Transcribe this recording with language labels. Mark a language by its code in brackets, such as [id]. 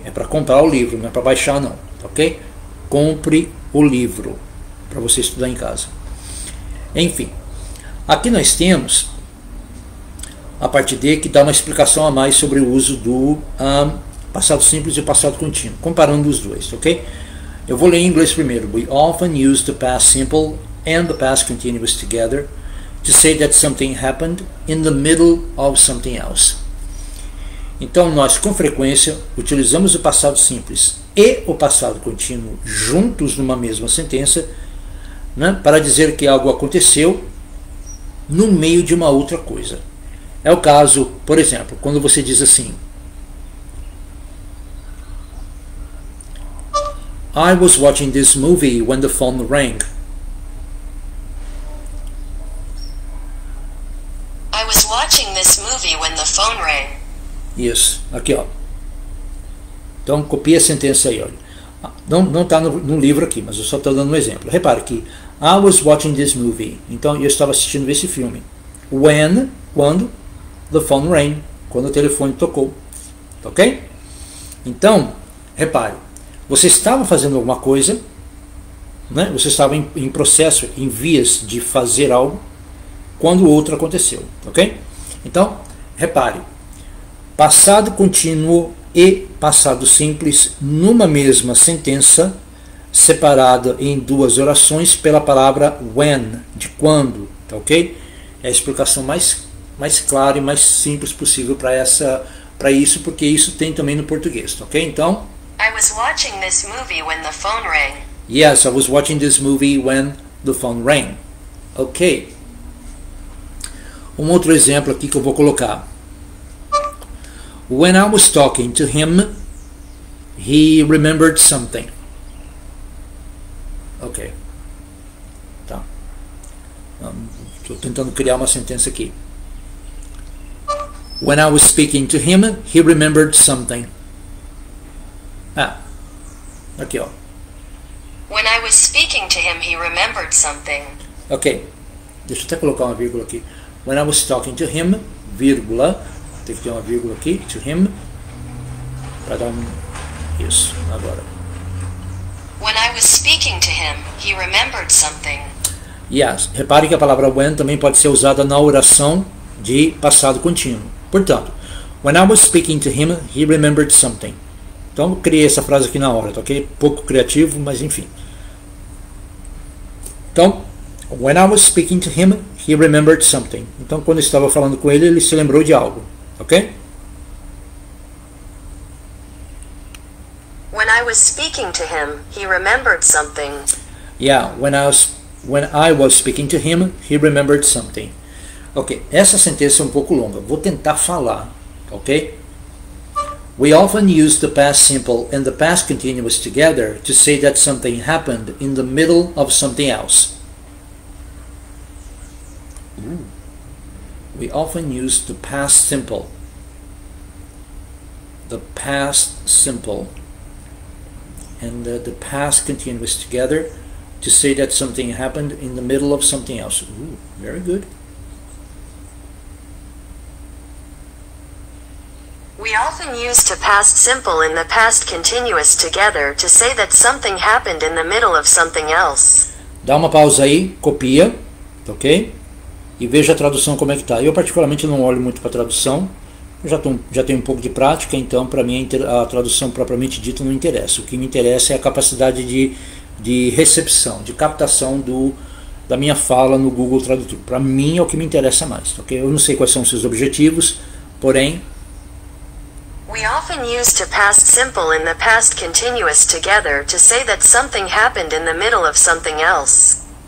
[pt] É para comprar o livro, não é para baixar não, tá ok? Compre o livro para você estudar em casa. Enfim, aqui nós temos a parte D que dá uma explicação a mais sobre o uso do passado simples e passado contínuo, comparando os dois, ok? Eu vou ler em inglês primeiro. [en] We often use the past simple and the past continuous together to say that something happened in the middle of something else. [pt] Então, nós com frequência utilizamos o passado simples e o passado contínuo juntos numa mesma sentença, né, para dizer que algo aconteceu no meio de uma outra coisa. É o caso, por exemplo, quando você diz assim: [en] I was watching this movie when the phone rang. I was watching this movie when the phone rang. [pt] Isso, aqui ó. Então, copia a sentença aí, olha. Não está no livro aqui, mas eu só estou dando um exemplo. Repare que [en] I was watching this movie. [pt] Então, eu estava assistindo esse filme. Quando [en] the phone rang. [pt] Quando o telefone tocou. Ok? Então, repare. Você estava fazendo alguma coisa, né? Você estava em processo, em vias de fazer algo, quando outro aconteceu. Ok? Então, repare. Passado contínuo e passado simples numa mesma sentença, separada em duas orações pela palavra when, de quando, tá ok? É a explicação mais clara e mais simples possível para isso, porque isso tem também no português, tá ok? Então, [en] I was watching this movie when the phone rang. Yes, I was watching this movie when the phone rang. Ok. [pt] Um outro exemplo aqui que eu vou colocar. [en] When I was talking to him, he remembered something. [pt] Ok. Tá. Estou tentando criar uma sentença aqui. [en] When I was speaking to him, he remembered something. [pt] Ah, aqui, ó. [en] When I was speaking to him, he remembered something. [pt] Ok, deixa eu até colocar uma vírgula aqui. [en] When I was talking to him, [pt] vírgula, tem que ter uma vírgula aqui, to him, para dar um... isso, agora. [en] When I was speaking to him, he remembered something. [pt] Yes, repare que a palavra when também pode ser usada na oração de passado contínuo. [en] Portanto, when I was speaking to him, he remembered something. [pt] Então, eu criei essa frase aqui na hora, tá ok? Pouco criativo, mas enfim. [en] Então, when I was speaking to him, he remembered something. [pt] Então, quando eu estava falando com ele, ele se lembrou de algo, ok? [en] When I was speaking to him, he remembered something. Yeah, when I was speaking to him, he remembered something. [pt] Ok, essa sentença é um pouco longa. Vou tentar falar, ok? [en] We often use the past simple and the past continuous together to say that something happened in the middle of something else. We often use the past simple. The past simple. And the past continuous together to say that something happened in the middle of something else. Ooh, very good. We often use the past simple and the past continuous together to say that something happened in the middle of something else. [pt] Dá uma pausa aí, copia, ok? E veja a tradução como é que está. Eu particularmente não olho muito para a tradução. Já tenho um pouco de prática, então para mim a tradução propriamente dita não interessa. O que me interessa é a capacidade de recepção, de captação da minha fala no Google Tradutor. Para mim é o que me interessa mais, ok? Eu não sei quais são os seus objetivos, porém... [en] We often use the past simple and the past continuous together to say that something happened in the middle of something else.